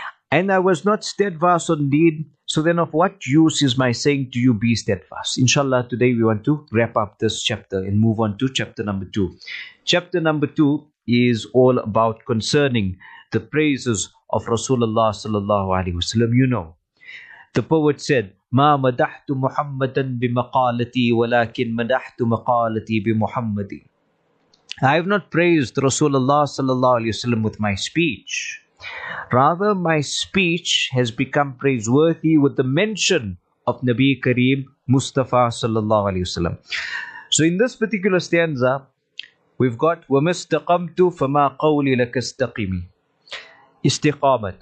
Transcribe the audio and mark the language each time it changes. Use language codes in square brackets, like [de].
[en] And I was not steadfast on deed, so then of what use is my saying to you, be steadfast? Inshallah, today we want to wrap up this chapter and move on to chapter number two. Chapter number two is all about concerning the praises of Rasulullah sallallahu alaihi wasallam. [ar] You know, the poet said, مَا مَدَحْتُ مُحَمَّدًا بِمَقَالَتِي وَلَكِنْ مَدَحْتُ مَقَالَتِي بِمُحَمَّدِي. [en] I have not praised Rasulullah sallallahu alaihi wasallam with my speech. Rather, my speech has become praiseworthy with the mention of Nabi Kareem Mustafa sallallahu alaihi wasallam. So in this particular stanza, we've got [ar] وَمَا اسْتَقَمْتُ فَمَا قَوْلِ لَكَ اسْتَقِيمِ. [en] Istiqamat.